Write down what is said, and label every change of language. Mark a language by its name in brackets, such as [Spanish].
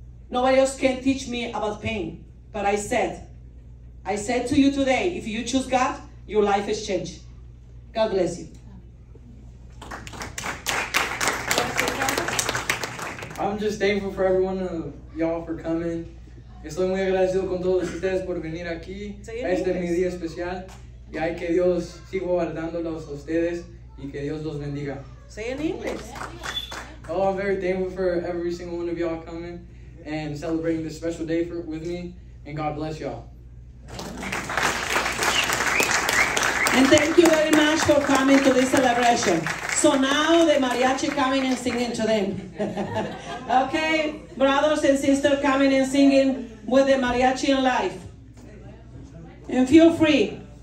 [English] Nobody else can teach me about pain. But I said to you today, if you choose God, your life is changed. God bless you. I'm just thankful for everyone of y'all for coming. [Spanish] Estoy muy agradecido con todos ustedes por venir aquí. Este es mi día especial. Y hay que Dios siga guardándolos a ustedes y que Dios los bendiga. [English] Say in English. Oh, I'm very thankful for every single one of y'all coming and celebrating this special day with me. And God bless y'all. And thank you very much for coming to this celebration. So now the mariachi coming and singing to them. Okay, brothers and sisters coming and singing with the mariachi in life. And feel free.